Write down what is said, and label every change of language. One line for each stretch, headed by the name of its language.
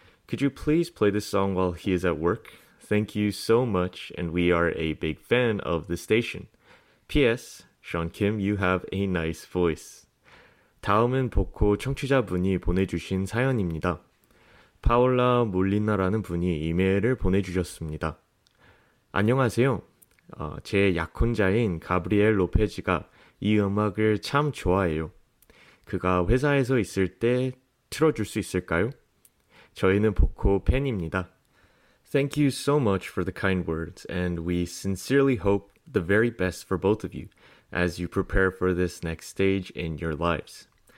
English: Could you please play this song while he is at work? Thank you so much, and we are a big fan of the station. P.S. Sean Kim, you have a nice voice.
Korean: 다음은 보코 청취자분이 보내주신 사연입니다. 파울라 몰리나라는 분이 이메일을 보내주셨습니다. 안녕하세요. 제 약혼자인 가브리엘 로페즈가 이 음악을 참 좋아해요. 그가 회사에서 있을 때 틀어줄 수 있을까요? 저희는 보코 팬입니다.
English: Thank you so much for the kind words, and we sincerely hope the very best for both of you as you prepare for this next stage in your lives.